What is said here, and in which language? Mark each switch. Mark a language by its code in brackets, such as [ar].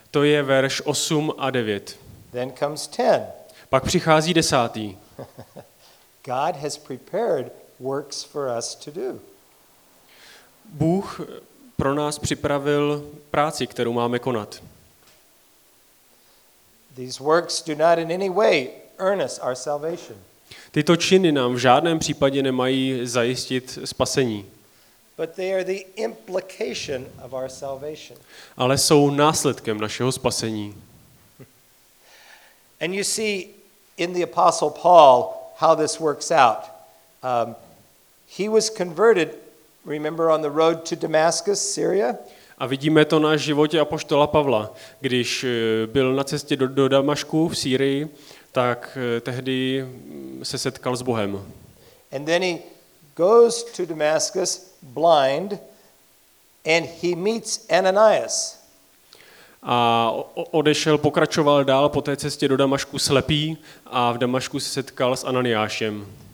[cs] To je verš 8 a 9. [en] Then comes 10. [cs] Pak přichází 10. [en] God has prepared works for us to do. [cs] Bůh pro nás připravil práci, kterou máme konat. [en] These works do not in any way earn us our salvation. [cs] Tyto činy nám v žádném případě nemají zajistit spasení. [en] But they are the implication of our salvation. [cs] Ale jsou následkem našeho spasení. [en] And you see in the Apostle Paul how this works out. He was converted, remember, on the road to Damascus, Syria. [cs] A vidíme to na životě apoštola Pavla, když byl na cestě do Damašku v Sýrii, tak tehdy se setkal s Bohem. [en] And then he goes to Damascus blind and he meets Ananias. [cs] A odešel, pokračoval dál po té cestě do Damašku slepý a v Damašku se setkal s Ananiášem.